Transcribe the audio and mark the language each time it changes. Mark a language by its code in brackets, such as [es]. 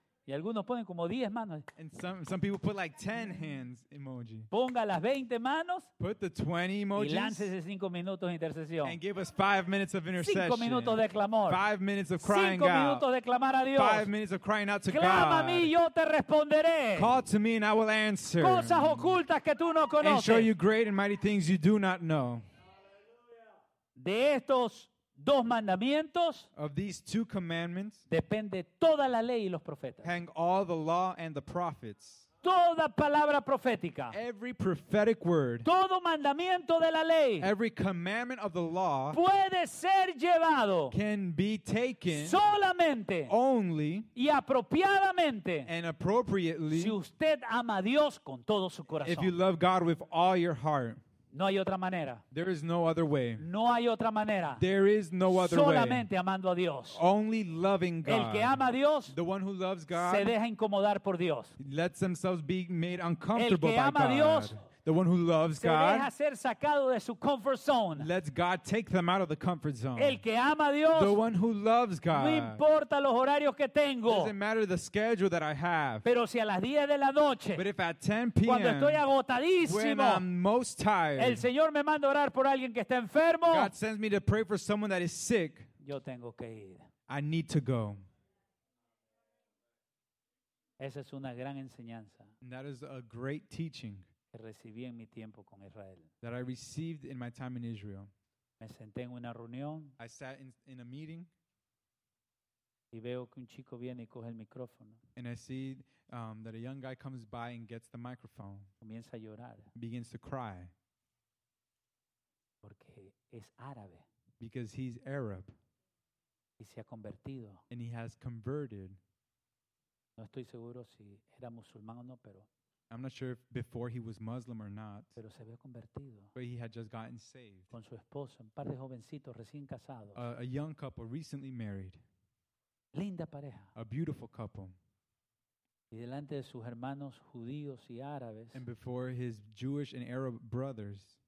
[es] Y algunos ponen como 10 manos. [en] And some people put like 10 hands emoji. [es] Ponga las 20 manos. [en] Put the 20 emojis. [es] Y láncese 5 minutos de intercesión. [en] And give us 5 minutes of intercession. [es] 5 minutos de clamor. [en] 5 minutes of crying out. [es] 5 minutos de clamar a Dios. [en] 5 minutes of crying out to God. [es] Clama a mí, yo te responderé. [en] Call to me and I will answer. [es] Cosas ocultas que tú no conoces. [en] And show you great and mighty things you do not know. [es] De estos dos mandamientos [en] of these two commandments, [es] depende toda la ley y los profetas. [en] Hang all the law and the prophets. [es] Toda palabra profética. [en] Every prophetic word. [es] Todo mandamiento de la ley. [en] Every commandment of the law. [es] Puede ser llevado. [en] Can be taken. [es] Solamente. [en] Only. [es] Y apropiadamente. [en] And appropriately. [es] Si usted ama a Dios con todo su corazón. [en] If you love God with all your heart. [es] No hay otra manera. [en] There is no other way. [es] No hay otra manera. [en] There is no other [es] solamente [en] way. [es] Solamente amando a Dios. [en] Only loving God. [es] El que ama a Dios, [en] the one who loves God, [es] se deja incomodar por Dios. [en] Lets themselves be made uncomfortable by God. [es] El que ama a Dios, [en] the one who loves [es] se [en] God, [es] deja ser sacado de su [en] comfort zone. Lets God take them out of the comfort zone. [es] El que ama a Dios, [en] the one who loves God, [es] no importa los horarios que tengo. [en] Doesn't matter the schedule that I have. [es] Pero si a las 10 de la noche, [en] but if at 10 p.m., [es] cuando estoy agotadísimo, [en] when I'm most tired, [es] el Señor me manda a orar por alguien que está enfermo. [en] God sends me to pray for someone that is sick. [es] Yo tengo que ir. [en] I need to go. [es] Esa es una gran enseñanza. [en] And that is a great teaching. [es] Recibí en mi tiempo con Israel. [en] That I received in my time in Israel. [es] Me senté en una reunión. [en] I sat in a meeting. [es] Y veo que un chico viene y coge el micrófono. [en] And I see that a young guy comes by and gets the microphone. [es] Comienza a llorar. [en] Begins to cry. [es] Porque es árabe. [en] Because he's Arab. [es] Y se ha convertido. [en] And he has converted. [es] No estoy seguro si era musulmán o no, pero [en] I'm not sure if before he was Muslim or not. [es] Pero se había convertido. [en] But he had just gotten saved. [es] Con su esposa, un par de jovencitos recién casados. [en] A young couple recently married. [es] Linda pareja. [en] A beautiful couple. [es] Y delante de sus hermanos judíos y árabes. [en] And before his Jewish and Arab brothers.